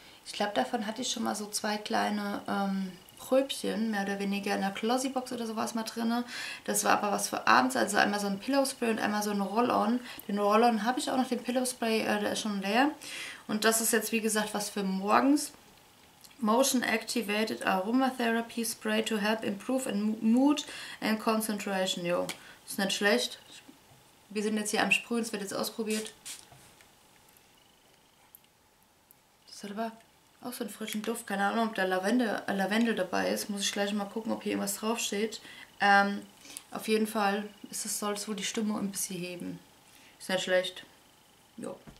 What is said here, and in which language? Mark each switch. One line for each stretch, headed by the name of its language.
German: Ich glaube, davon hatte ich schon mal so zwei kleine Pröbchen, mehr oder weniger in der Glossybox oder sowas mal drin. Das war aber was für abends, also einmal so ein Pillow Spray und einmal so ein Roll-On. Den Roll-On habe ich auch noch, den Pillow Spray, der ist schon leer. Und das ist jetzt, wie gesagt, was für morgens.
English: Motion Activated Aromatherapy Spray to help improve in mood and concentration.
German: Jo, ist nicht schlecht. Wir sind jetzt hier am Sprühen, es wird jetzt ausprobiert. Aber auch so einen frischen Duft. Keine Ahnung, ob da Lavendel dabei ist. Muss ich gleich mal gucken, ob hier irgendwas draufsteht. Auf jeden Fall soll es wohl die Stimme ein bisschen heben. Ist nicht schlecht. Jo.